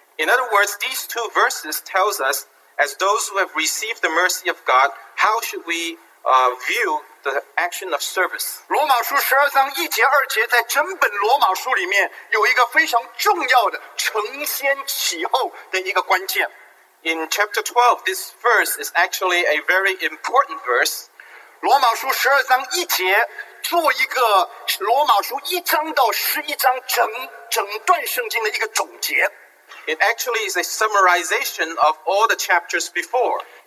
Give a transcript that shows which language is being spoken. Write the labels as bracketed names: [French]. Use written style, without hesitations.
[English] In other words, these two verses tells us, as those who have received the mercy of God, how should we view the action of service? [Chinese] 罗马书12章1节2节在整本罗马书里面有一个非常重要的承先启后的一个关键。 [English] In chapter 12, this verse is actually a very important verse. [Chinese] 罗马书12章1节做一个罗马书1章到11章整段圣经的一个总结。 [English] It actually is a summarization of all the chapters before.